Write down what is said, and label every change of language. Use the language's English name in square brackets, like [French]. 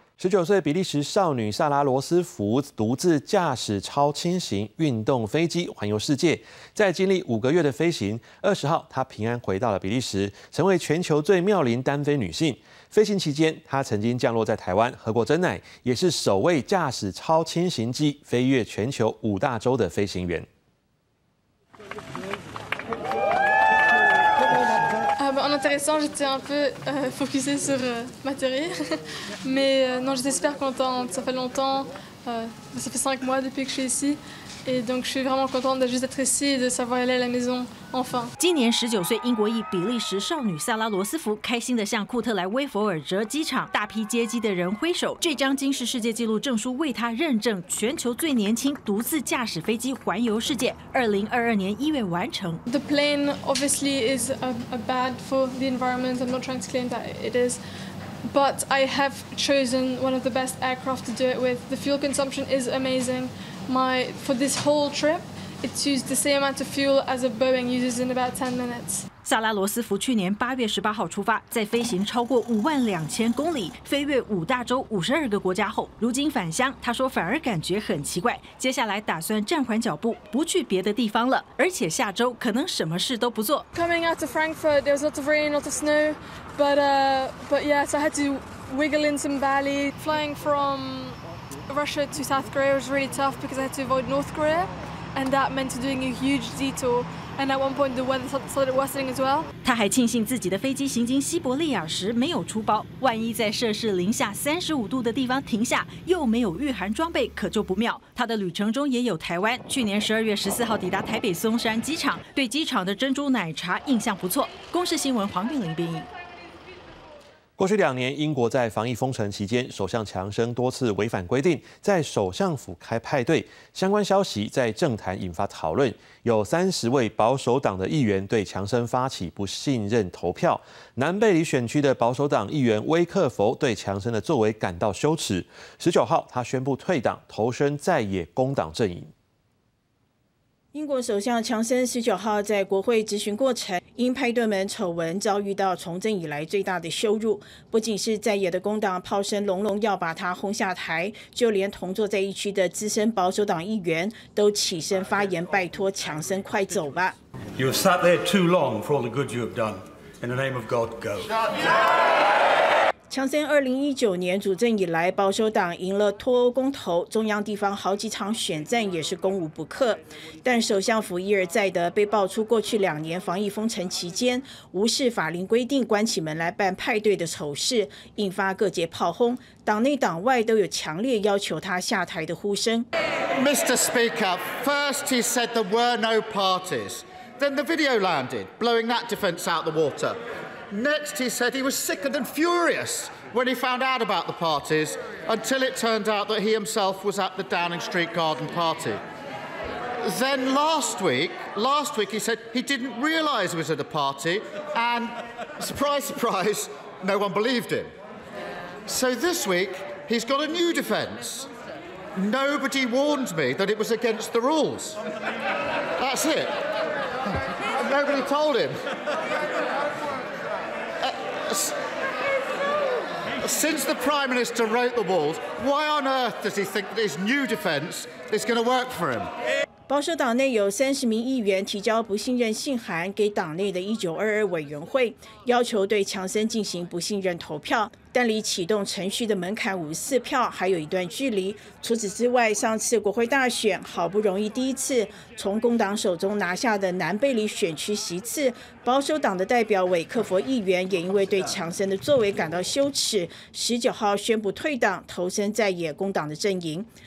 [Chinese] 19岁比利时少女萨拉罗斯福独自驾驶超轻型运动飞机环游世界，在经历5个月的飞行，20号她平安回到了比利时，成为全球最妙龄单飞女性。飞行期间，她曾经降落在台湾，喝过珍奶，也是首位驾驶超轻型机飞越全球5大洲的飞行员。 [French] En intéressant, j'étais un peu focusée sur ma théorie. Mais non, j'étais super contente. Ça fait longtemps, ça fait 5 mois depuis que je suis ici. Et donc, je suis vraiment contente de juste être ici, de savoir aller à la maison, enfin. [Chinese] 今年19岁英国裔比利时少女萨拉罗斯福开心地向库特莱威佛尔哲机场大批接机的人挥手，这张吉尼世界纪录证书为她认证全球最年轻独自驾驶飞机环游世界，2022年1月完成。 [English] The plane obviously is a bad for the environment. I'm not trying to claim that it is. But I have chosen one of the best aircraft to do it with. The fuel consumption is amazing. For this whole trip, it's used the same amount of fuel as a Boeing uses in about 10 minutes. [Chinese] 萨拉罗斯福去年8月18号出发，在飞行超过52000公里，飞越5大洲52个国家后，如今返乡，他说反而感觉很奇怪，接下来打算暂缓脚步，不去别的地方了，而且下周可能什么事都不做。 [English] Coming out to Frankfurt, there was lots of rain, lots of snow, but yeah, so I had to wiggle in some valley. Flying from Russia to South Korea was really tough because I had to avoid North Korea, and that meant doing a huge detour. And at one point, the weather started worsening as well. [Chinese] 他还庆幸自己的飞机行经西伯利亚时没有出包，万一在摄氏-35度的地方停下，又没有御寒装备，可就不妙。他的旅程中也有台湾，去年12月14号抵达台北松山机场，对机场的珍珠奶茶印象不错。公视新闻黄韵玲编译。过去2年，英国在防疫封城期间，首相强生多次违反规定，在首相府开派对，相关消息在政坛引发讨论。有30位保守党的议员对强生发起不信任投票。南贝里选区的保守党议员威克佛对强生的作为感到羞耻。 19号，他宣布退党，投身在野工党阵营。英国首相强生19号在国会质询过程，因派对门丑闻遭遇到从政以来最大的羞辱，不仅是在野的工党炮声隆隆要把他轰下台，就连同坐在一区的资深保守党议员都起身发言，拜托强生快走吧。 [English] You have sat there too long for all the good you have done. In the name of God, go. [Chinese] 强森2019年主政以来，保守党赢了脱欧公投，中央地方好几场选战也是攻无不克。但首相府一而再的被爆出过去两年防疫封城期间无视法令规定关起门来办派对的丑事，引发各界炮轰，党内党外都有强烈要求他下台的呼声。 [English] Mr. Speaker, first he said there were no parties. Then the video landed, blowing that defence out the water. Next, he said he was sicker than furious when he found out about the parties, until it turned out that he himself was at the Downing Street Garden Party. Then last week, he said he didn't realise he was at a party, and surprise, surprise, no one believed him. So this week, he's got a new defence. Nobody warned me that it was against the rules. That's it. Nobody told him. Since the Prime Minister wrote the walls, why on earth does he think this new defence is going to work for him? [Chinese] 保守党内有30名议员提交不信任信函给党内的1922委员会，要求对强森进行不信任投票，但离启动程序的门槛54票还有一段距离。除此之外，上次国会大选好不容易第一次从工党手中拿下的南贝里选区席次，保守党的代表韦克佛议员也因为对强森的作为感到羞耻，19号宣布退党，投身在野工党的阵营。